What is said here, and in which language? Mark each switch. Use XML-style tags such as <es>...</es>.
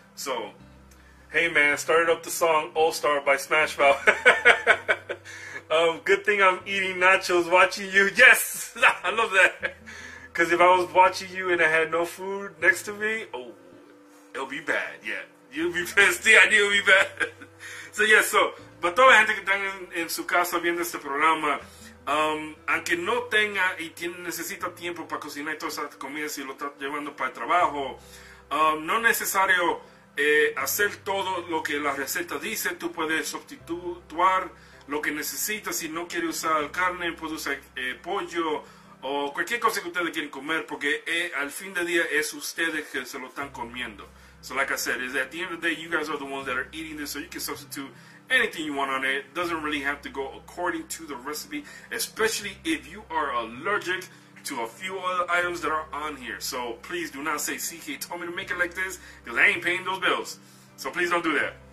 <en>So, hey man, started up the song All Star by Smash Mouth. good thing I'm eating nachos watching you. Yes! I love that! Because if I was watching you and I had no food next to me, oh, it'll be bad. Yeah, you'd be pissed. Yeah, it'll be bad.</en> <es>So, para toda la gente que está en su casa viendo este programa, aunque no tenga y necesita tiempo para cocinar toda esa comida si lo está llevando para el trabajo, no es necesario hacer todo lo que la receta dice. Tú puedes sustituir lo que necesitas. Si no quiere usar carne, puede usar pollo, o cualquier cosa que ustedes quieren comer, porque al fin de día es ustedes que se lo están comiendo.</es> <en>So like I said, is at the end of the day, you guys are the ones that are eating this, so you can substitute anything you want on it. Doesn't really have to go according to the recipe, especially if you are allergic to a few other items that are on here. So please do not say CK told me to make it like this, because I ain't paying those bills. So please don't do that.</en>